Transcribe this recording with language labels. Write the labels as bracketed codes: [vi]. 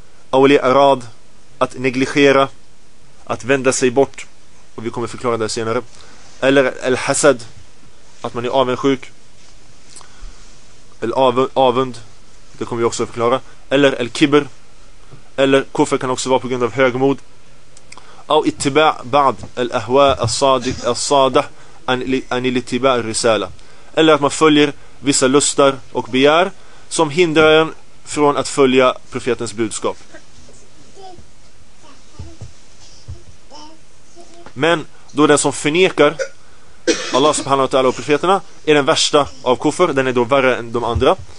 [ar] Awli arad, [sv] att negligera, att vända sig bort, och vi kommer förklara det senare. Eller al-hasad, att man är avundsjuk. Eller avund, det kommer vi också förklara. Eller al-kibr. Eller kufr kan också vara på grund av högmod. [ar] أو اتباع بعض الأهواء الصادة عن الاتباع الرسالة. [sv] Eller att man följer vissa lustar och begär som hindrar en från att följa profetens budskap. Men då den som förnekar Allah subhanahu wa ta'ala och profeterna är den värsta av kufr, den är då värre än de andra.